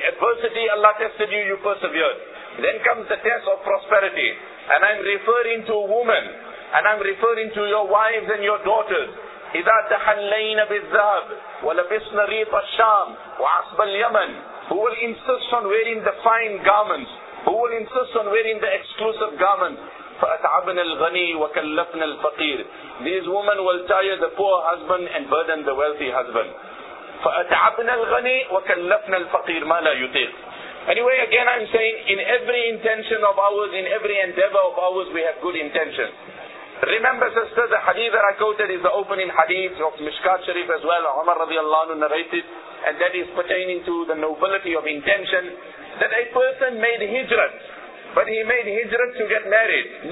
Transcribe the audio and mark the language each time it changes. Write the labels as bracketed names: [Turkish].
[English] Adversity, Allah tested you, you persevered. Then comes the test of prosperity. And I'm referring to women. And I'm referring to your wives and your daughters. [Arabic] إذا تحلين بالذهب ولبسن ريط الشام وعصب اليمن. [English] Who will insist on wearing the fine garments? Who will insist on wearing the exclusive garments? [Arabic] فأتعبن الغني وكلفن الفقير. [English] These women will tire the poor husband and burden the wealthy husband. [Arabic] فأتعبن الغني وكلفن الفقير ما لا يطيق. [English] Anyway, again I'm saying, in every intention of ours, in every endeavor of ours, we have good intentions. Remember, sister, the hadith that I quoted is the opening hadith of Mishkat Sharif as well. Umar radiallahu anhu narrated, and that is pertaining to the nobility of intention, that a person made hijrat, but he made hijrat to get married.